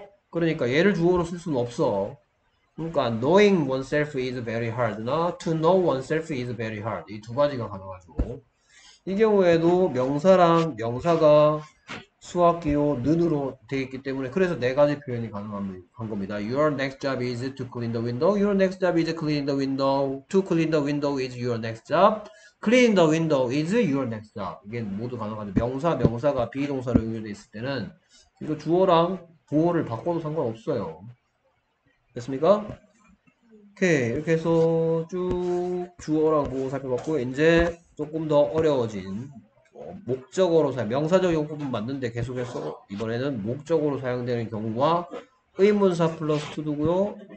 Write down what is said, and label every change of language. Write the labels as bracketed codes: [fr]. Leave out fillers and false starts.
[ko] 그러니까 얘를 주어로 쓸 수는 없어. 그러니까 [en] knowing oneself is very hard [ko] 나 [en] to know oneself is very hard [ko] 이두 가지가 가능하죠. 이 경우에도 명사랑 명사가 수학기호 는으로 되어 있기 때문에 그래서 네 가지 표현이 가능한 겁니다. [en] Your next job is to clean the window. Your next job is cleaning the window. To clean the window is your next job. Clean the window is your next job. [ko] 이게 모두 가능하죠. 명사가 비동사로 응용되어 있을 때는 이거 주어랑 보어를 바꿔도 상관없어요. 됐습니까? 오케이. 이렇게 해서 쭉 주어랑 보어 살펴봤고, 이제 조금 더 어려워진 목적어로 사용, 명사적 용법은 맞는데 계속해서 이번에는 목적어로 사용되는 경우와 의문사 플러스 투두고요.